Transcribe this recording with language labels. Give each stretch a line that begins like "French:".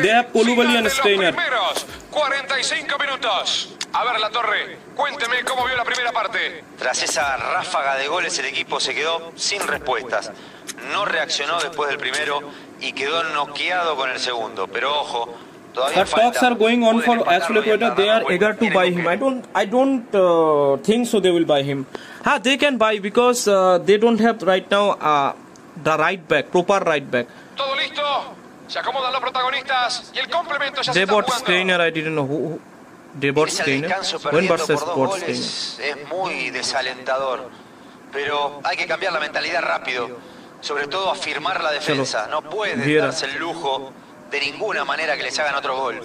Spanish: De Polubali and Steiner. 45 minutos. A ver la torre. Cuénteme cómo vio la primera parte. Tras esa ráfaga de goles, el equipo se quedó sin respuestas. No reaccionó después del primero y quedó noqueado con el segundo. Pero ojo.
English: The talks are going on for Ashley Quetta. They are eager to buy him. I don't think so they will buy him. Ha, they can buy because they don't have right now the right back, proper right back.
Spanish: Todo listo. Se acomodan los protagonistas y el complemento ya se está jugando.
English: I didn't know who. They bought Steiner. When Barça bought Steiner.
Spanish: Es muy desalentador. Pero hay que cambiar la mentalidad rápido. Sobre todo afirmar la defensa. No puede darse el lujo de ninguna manera que les hagan otro gol.